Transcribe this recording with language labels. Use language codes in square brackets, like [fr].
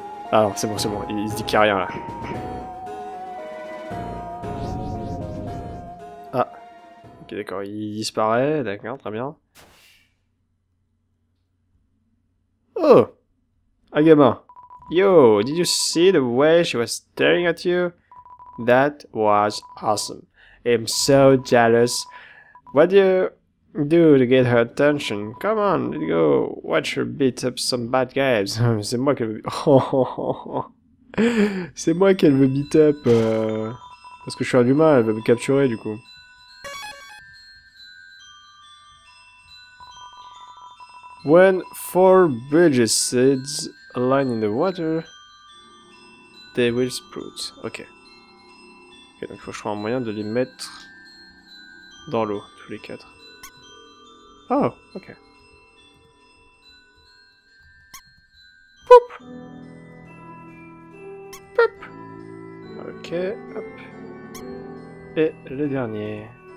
[fr] Ah non, c'est bon, il se dit qu'il y a rien là. Ah, ok, d'accord, il disparaît, d'accord, très bien. Oh! Un gamin! [en] Yo, did you see the way she was staring at you? That was awesome. I'm so jealous. What do you Dude, get her attention. Come on, let's go watch her beat up some bad guys. [fr] C'est moi qu'elle veut... C'est moi qu'elle veut beat up. Parce que je suis un humain, elle veut me capturer du coup. [en] When four bridges seeds align in the water, they will sprout. Okay. [fr] Okay, donc il faut trouver un moyen de les mettre dans l'eau, tous les quatre. [en] Oh, okay. Boop. [fr] Boop. Okay, hop. Et le dernier.